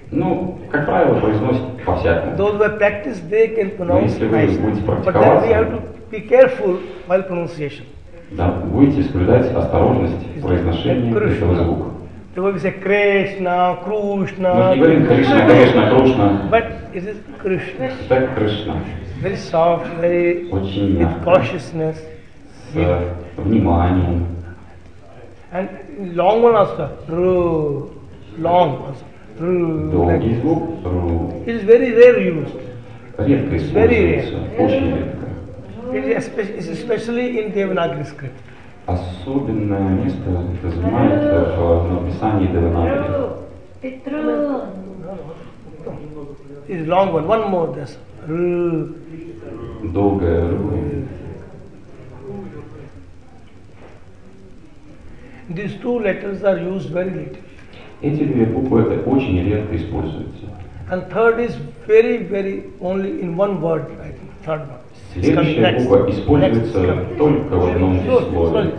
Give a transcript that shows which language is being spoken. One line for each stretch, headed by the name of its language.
Russian: Ну, как правило, произносят по-всякому.
English: Those who practice, they can pronounce.
Russian: Но если вы будете практиковаться,
English: but then we have to be careful while pronunciation.
Russian: Да, будете соблюдать осторожность в произношении этого звука.
English: So we say Krishna, Krishna.
Russian: Мы не говорим Krishna, Krishna, Krishna.
English: But it is Krishna.
Russian: Так Krishna.
English: Very soft, very.
Russian: Очень мягко.
English: With cautiousness.
Russian: С вниманием.
English: And long one also. Ru. Long also. Ru,
Russian: долгий
English: like
Russian: звук ру.
English: It is very rare used.
Russian: Редко используется. Очень редко.
English: It is especially in Devanagari script.
Russian: Особенное место это занимает в написании Деванагари. Петру.
English: It is long one. One more this. Ru.
Russian: Долгое ру.
English: These two letters are used very little.
Russian: Эти две буквы это очень редко используются.
English: And third is very, very only in one word, I think. Third one.
Russian: Следующая буква используется только в одном слове.